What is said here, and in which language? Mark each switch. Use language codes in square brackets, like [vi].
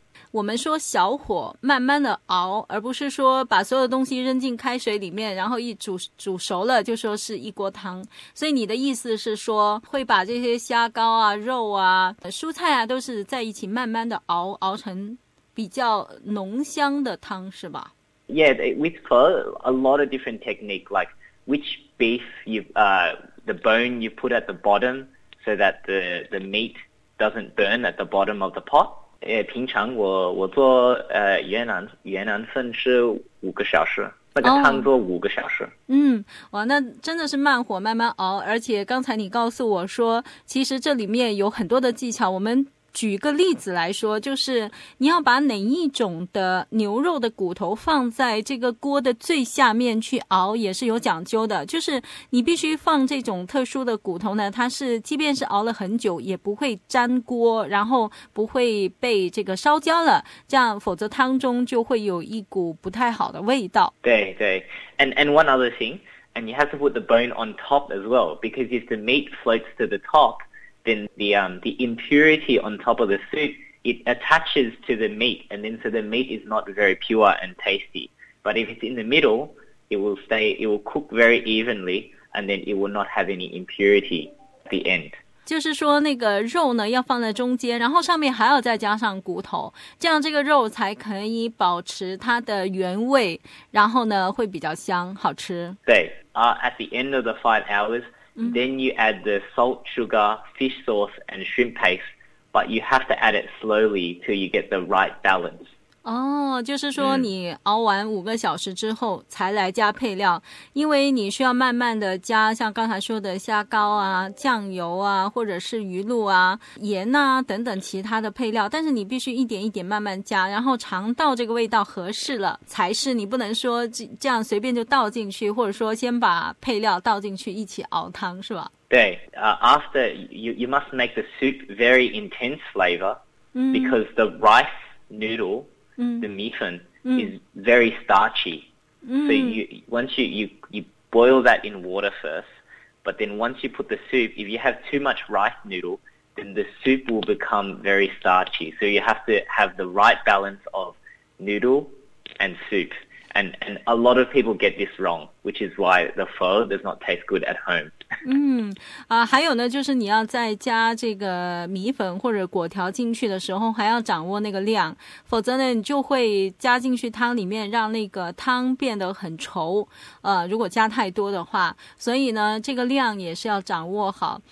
[zh] 我们说小火慢慢的熬，而不是说把所有的东西扔进开水里面然后一煮熟了就说是一锅汤。所以你的意思是说会把这些虾膏啊、肉啊、蔬菜啊都是在一起慢慢的熬成比较浓香的汤是吧？ [en] Yeah, with a lot of different technique, like which beef you the bone you put at the bottom so that the meat doesn't burn at the bottom of the pot。 [zh] 平常我做越南粉是五个小时，那个汤做五个小时。哇，那真的是慢火慢慢熬。而且刚才你告诉我说其实这里面有很多的技巧，我们举个例子来说，就是你要把哪一种的牛肉的骨头放在这个锅的最下面去熬也是有讲究的，就是你必须放这种特殊的骨头呢，它是即便是熬了很久也不会粘锅，然后不会被这个烧焦了，这样否则汤中就会有一股不太好的味道。对对， [en] and one other thing, and you have to put the bone on top as well, because if the meat floats to the top, then the impurity on top of the soup, it attaches to the meat, and then so the meat is not very pure and tasty. But if it's in the middle, it will cook very evenly, and then it will not have any impurity at the end. [zh] 就是说那个肉呢要放在中间，然后上面还要再加上骨头，这样这个肉才可以保持它的原味，然后呢会比较香好吃。对、 [en] at the end of the 5 hours,、嗯、then you add the salt, sugar, fish sauce and shrimp paste, but you have to add it slowly till you get the right balance. [zh] 哦，就是说你熬完5个小时之后才来加配料、嗯、因为你需要慢慢的加像刚才说的虾膏啊酱油啊或者是鱼露啊盐啊等等其他的配料，但是你必须一点一点慢慢加，然后尝到这个味道合适了才是，你不能说这样随便就倒进去，或者说先把配料倒进去一起熬汤是吧。对、 [en] after you must make the soup very intense flavor、嗯、 because the rice noodle、嗯 The 米粉 is very starchy.、嗯、 so you boil that in water first. But then once you put the soup, if you have too much rice noodle, then the soup will become very starchy. So you have to have the right balance of noodle and soup. And a lot of people get this wrong, which is why the pho does not taste good at home. [zh] 嗯、还有呢就是你要再加这个米粉或者果条进去的时候还要掌握那个量，否则呢你就会加进去汤里面让那个汤变得很稠，如果加太多的话，所以呢这个量也是要掌握好。